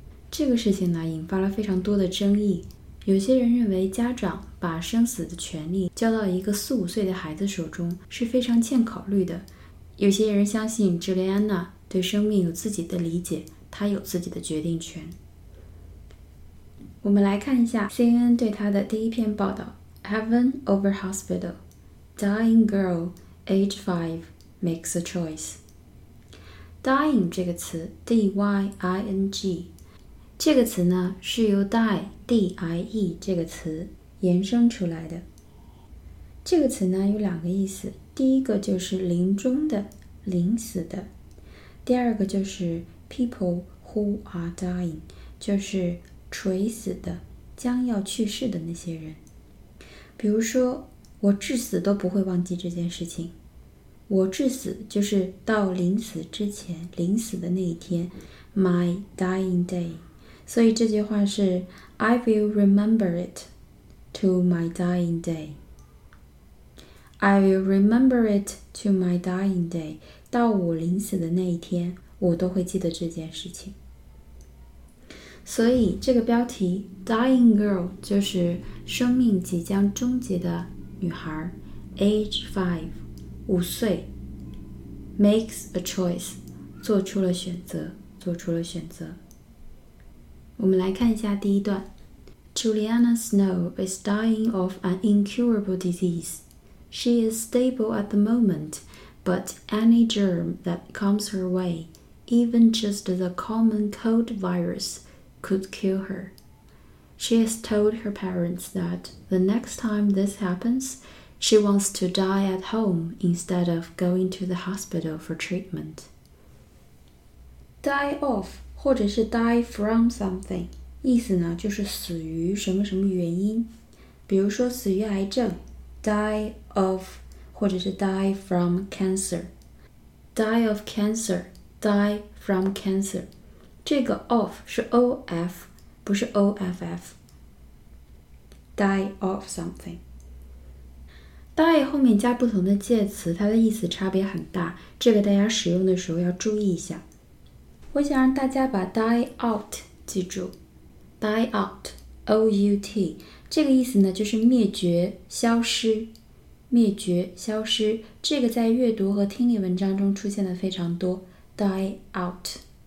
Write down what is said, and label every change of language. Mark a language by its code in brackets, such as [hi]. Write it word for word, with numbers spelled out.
[zh] 这个事情呢，引发了非常多的争议。有些人认为家长把生死的权利交到一个四五岁的孩子手中是非常欠考虑的。有些人相信朱莉安娜对生命有自己的理解，她有自己的决定权。我们来看一下 C N N 对她的第一篇报道 [en] Heaven Over Hospital Dying Girl Age five Makes a Choice。 [zh] Dying 这个词 D Y I N G 这个词呢是由 die D I E 这个词延伸出来的。这个词呢有两个意思，第一个就是临终的、临死的，第二个就是 [en] people who are dying， [zh] 就是垂死的、将要去世的那些人。比如说，我至死都不会忘记这件事情。我至死就是到临死之前，临死的那一天 ， [en] my dying day，所以这句话是 I will remember it to my dying day. I will remember it to my dying day. [zh] 到我临死的那一天，我都会记得这件事情。所以这个标题 [en] Dying Girl [zh] 就是生命即将终结的女孩 [en] Age five [zh] 五岁 [en] Makes a choice [zh] 做出了选择做出了选择我们来看一下第一段 [en] Juliana Snow is dying of an incurable disease. She is stable at the moment, but any germ that comes her way, even just the common cold virus,could kill her. She has told her parents that the next time this happens, she wants to die at home instead of going to the hospital for treatment. [zh] Die of 或者是 die from something 意思呢就是死于什么什么原因，比如说死于癌症 die of 或者是 [en] die from cancer. Die of cancer, die from cancer. [zh] 这个 of 是 of 不是 off die of something die 后面加不同的介词它的意思差别很大这个大家使用的时候要注意一下我想让大家把 die out 记住 die out O U T 这个意思呢就是灭绝消失灭绝消失这个在阅读和听力文章中出现的非常多 die out